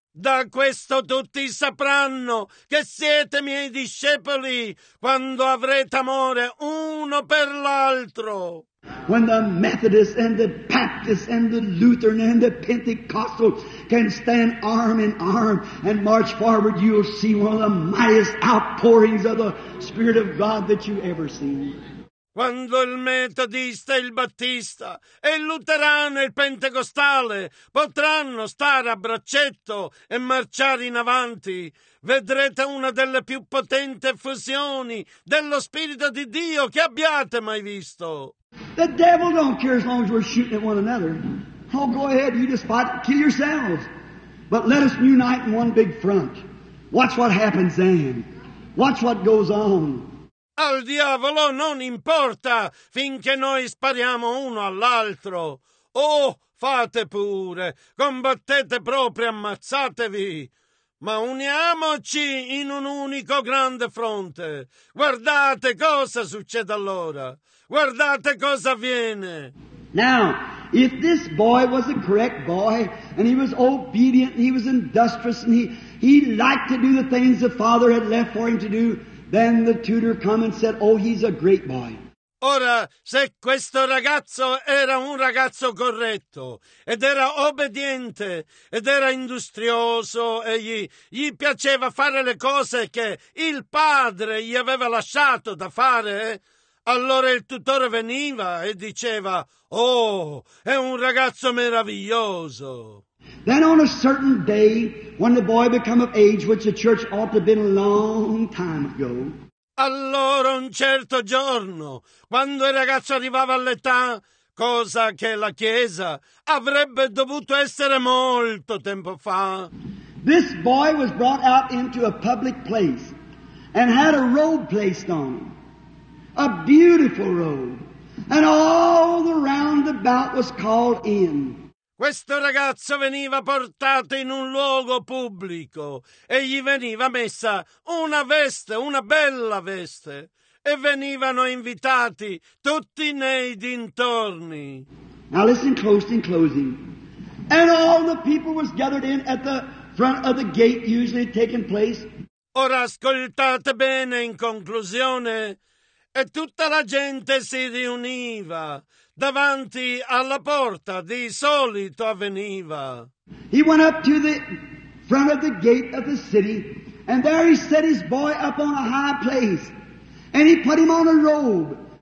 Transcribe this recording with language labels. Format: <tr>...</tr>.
<it>Da questo tutti sapranno che siete miei discepoli quando avrete amore uno per l'altro.</it> <en>When the Methodist and the Baptist and the Lutheran and the Pentecostal can stand arm in arm and march forward, you'll see one of the mightiest outpourings of the Spirit of God that you ever seen.</en> <it>Quando il metodista, il battista e il luterano e il pentecostale potranno stare a braccetto e marciare in avanti, vedrete una delle più potenti effusioni dello Spirito di Dio che abbiate mai visto.</it> <en>The devil don't care as long as we're shooting at one another. Oh, go ahead, you just fight, kill yourselves. But let us unite in one big front. Watch what happens then. Watch what goes on.</en> <it>Al diavolo non importa finché noi spariamo uno all'altro. Oh, fate pure, combattete proprio, ammazzatevi, ma uniamoci in un unico grande fronte. Guardate cosa succede allora. Guardate cosa avviene.</it> <en>Now, if this boy was a correct boy, and he was obedient, and he was industrious, and he liked to do the things the father had left for him to do, then the tutor come and said, oh, he's a great boy.</en> <it>Ora, se questo ragazzo era un ragazzo corretto, ed era obbediente, ed era industrioso, e gli piaceva fare le cose che il padre gli aveva lasciato da fare, allora il tutore veniva e diceva, oh, è un ragazzo meraviglioso.</it> <en>Then on a certain day, when the boy became of age, which the church ought to have been a long time ago,</en> <it>allora un certo giorno, quando il ragazzo arrivava all'età, cosa che la Chiesa avrebbe dovuto essere molto tempo fa,</it> <en>this boy was brought out into a public place and had a robe placed on him, a beautiful robe, and all the round about was called in.</en> <it>Questo ragazzo veniva portato in un luogo pubblico e gli veniva messa una veste, una bella veste, e venivano invitati tutti nei dintorni.</it> <en>Now listen closely in closing. And all the people was gathered in at the front of the gate usually taking place.</en> <it>Ora ascoltate bene in conclusione. E tutta la gente si riuniva davanti alla porta, di solito avveniva.</it> <en>He went up to the front of the gate of the city, and there he set his boy up on a high place, and he put him on a robe.</en>